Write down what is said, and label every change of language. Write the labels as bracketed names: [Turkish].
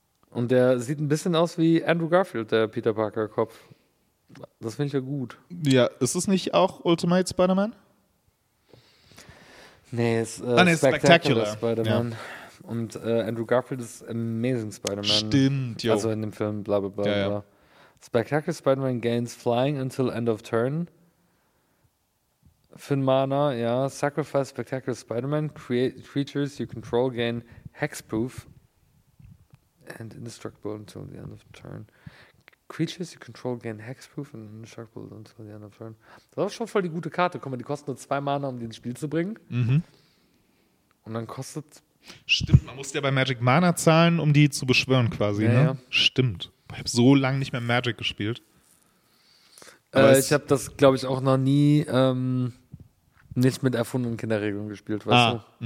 [German] Und der sieht ein bisschen aus wie Andrew Garfield, der Peter Parker-Kopf. Das finde ich ja gut. Ja, ist es nicht auch Ultimate Spider-Man? Nee, es ist Spectacular Spider-Man. Ja. Und Andrew Garfield ist Amazing Spider-Man. Stimmt, ja. Also in dem Film, bla bla bla. Ja, ja. [English] Spectacular Spider-Man gains flying until end of turn. Finn Mana, ja. Sacrifice Spectacular Spider-Man. Creatures you control gain hexproof. And indestructible until the end of the turn. Creatures you control gain hexproof and indestructible until the end of the turn. [German] Das ist schon voll die gute Karte. Guck mal, die kostet nur 2 Mana, um die ins Spiel zu bringen. Mhm. Und dann kostet. Stimmt, man muss ja bei Magic Mana zahlen, um die zu beschwören quasi. Ja, ne? Ja. Stimmt. Ich habe so lange nicht mehr Magic gespielt. Ich habe das, glaube ich, auch noch nie nicht mit erfundenen Kinderregeln gespielt, weißt du?